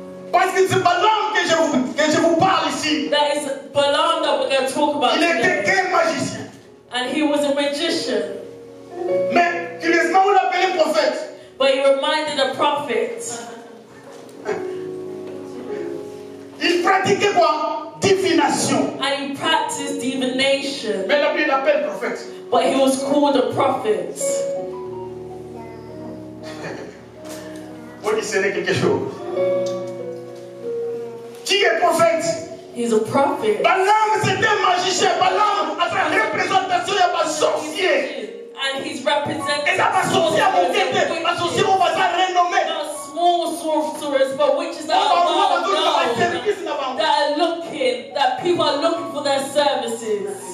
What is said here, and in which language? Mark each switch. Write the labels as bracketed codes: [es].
[fr] Parce que c'est Balaam que je vous parle ici. [en] That is Balaam that we're going to talk about. [fr] Il était un magicien. [en] And he was a magician. [fr] Mais il est maintenant appelé prophète. [en] But he reminded a prophet. [fr] Il pratiquait quoi? Divination. [en] And he practiced divination. [fr] Mais la Bible l'appelle prophète. [en] But he was called a prophet. [fr] Vous discernez quelque chose? Qui est prophète? [en] He's a prophet. [fr] Balaam c'était un magicien. Balaam a fait la représentation de la sorcière. [en] And he's representing the small sorcerers, but witches that are looking, that people are looking for their services.